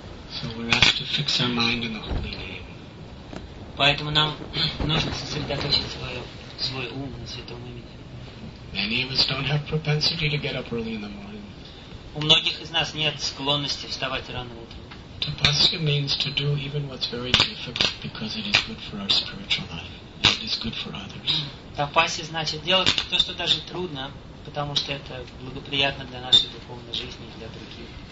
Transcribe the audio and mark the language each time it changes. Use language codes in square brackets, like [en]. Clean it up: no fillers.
[en] So we're asked to fix our mind in the holy name. [ru] Поэтому нам нужно сосредоточить свой ум на святом имени. [en] Many of us don't have propensity to get up early in the morning. [ru] У многих из нас нет склонности вставать рано утром. [en] Tapasya means to do even what's very difficult because it is good for our spiritual life and it is good for others. [ru] Tapasya значит делать то, что даже трудно, потому что это благоприятно для нашей духовной жизни и для других.